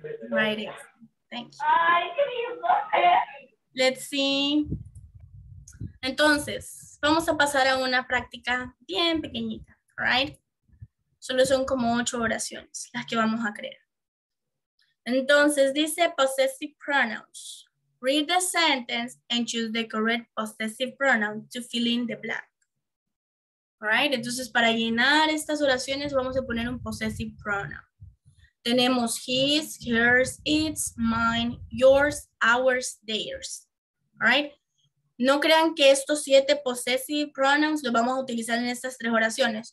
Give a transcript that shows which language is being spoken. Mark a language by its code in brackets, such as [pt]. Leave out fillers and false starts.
[en] Right. Thank you. Let's see. [es] Entonces, vamos a pasar a una práctica bien pequeñita, right? Solo son como 8 oraciones las que vamos a crear. Entonces, dice possessive pronouns. [en] Read the sentence and choose the correct possessive pronoun to fill in the blank. Right? [es] Entonces, para llenar estas oraciones, vamos a poner un possessive pronoun. Tenemos his, hers, its, mine, yours, ours, theirs. Right? No crean que estos 7 possessive pronouns los vamos a utilizar en estas 3 oraciones.